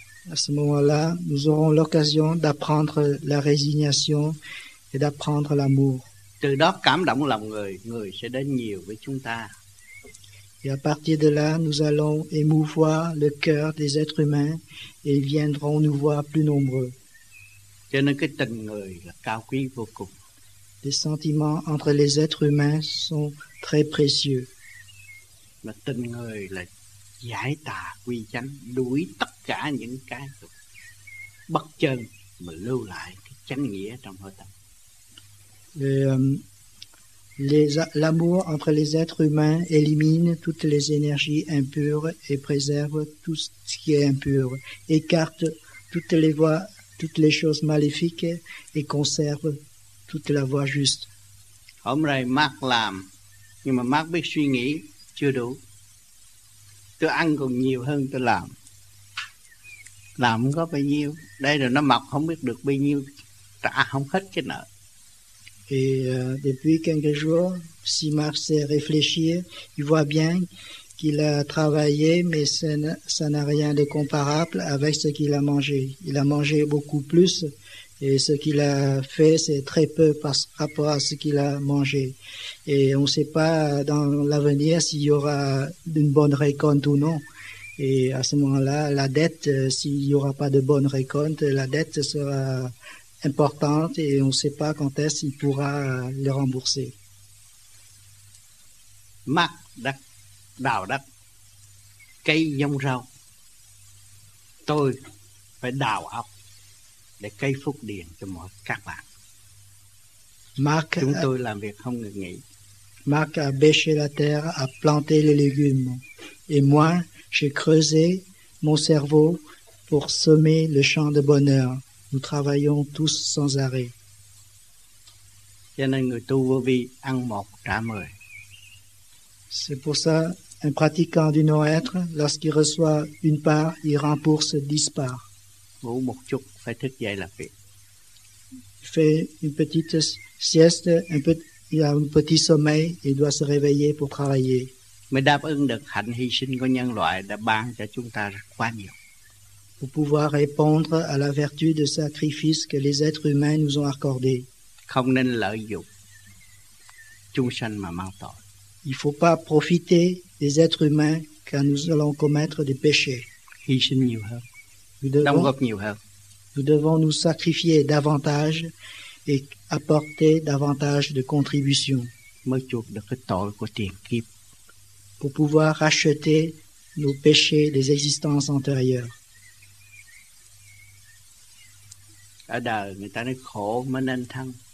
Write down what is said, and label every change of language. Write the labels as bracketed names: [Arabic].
[French] À ce moment-là, nous aurons l'occasion d'apprendre la résignation et d'apprendre l'amour. [Vietnamese] Từ đó cảm động lòng người, người sẽ đến nhiều với chúng ta. [French] Et à partir de là, nous allons émouvoir le cœur des êtres humains et ils viendront nous voir plus nombreux. [Vietnamese] Cho nên cái tình người là cao quý vô cùng. [French] Les sentiments entre les êtres humains sont très précieux. [Vietnamese] Mà tình người là giải tà quy chánh, đuổi tất cả những cái bất chân mà lưu lại cái chánh nghĩa trong hơi tâm. [French] L'amour entre les êtres humains élimine toutes les énergies impures et préserve tout ce qui est impur, écarte toutes les voies, toutes les choses maléfiques et conserve toute la voie juste. [Vietnamese] Hôm nay Mark làm, nhưng mà Mark biết suy nghĩ chưa đủ. Tôi ăn còn nhiều hơn tôi làm. Làm không có bao nhiêu. Đây rồi nó mọc không biết được bao nhiêu. Trả không hết cái nợ. [French] Depuis quelques jours, si Marc s'est réfléchi, il voit bien qu'il a travaillé, mais ça n'a rien de comparable avec ce qu'il a mangé. Il a mangé beaucoup plus et ce qu'il a fait, c'est très peu par rapport à ce qu'il a mangé. Et on ne sait pas dans l'avenir s'il y aura une bonne récolte ou non. Et à ce moment-là, la dette, s'il n'y aura pas de bonne récolte, la dette sera importante et on ne sait pas quand est-ce qu'il pourra le rembourser. [Vietnamese] Mac, đào đất, cây giống rau. Tôi phải đào ốc để cây phúc điền cho mọi các bạn. Mark, chúng tôi làm việc không ngừng nghỉ. [French] Marc a bêché la terre, a planté les légumes. Et moi, j'ai creusé mon cerveau pour semer le champ de bonheur. Nous travaillons tous sans arrêt. [Vietnamese] Cho nên người tu vô vi ăn một trả mười. [French] C'est pour ça, un pratiquant du non-être, lorsqu'il reçoit une part, il rembourse 10 parts. [Vietnamese] Ngủ một chút, phải thức dậy làm việc. [French] Il fait une petite sieste, il a un petit sommeil, il doit se réveiller pour travailler. [Vietnamese] Mais đáp ứng được hạnh hy sinh của nhân loại đã ban cho chúng ta quá nhiều. [French] Pour pouvoir répondre à la vertu de sacrifice que les êtres humains nous ont accordé. [Vietnamese] Không nên lợi dụng chúng sanh mà mang tội. [French] Il ne faut pas profiter des êtres humains car nous allons commettre des péchés. [Vietnamese] Hy sinh nhiều hơn. [French] Nous devons nous sacrifier davantage et apporter davantage de contributions. [Vietnamese] Mới chuộc được cái tội của tiền kiếp. [French] Pour pouvoir racheter nos péchés des existences antérieures. [Vietnamese] À đời, người ta nói khổ mới nên thân.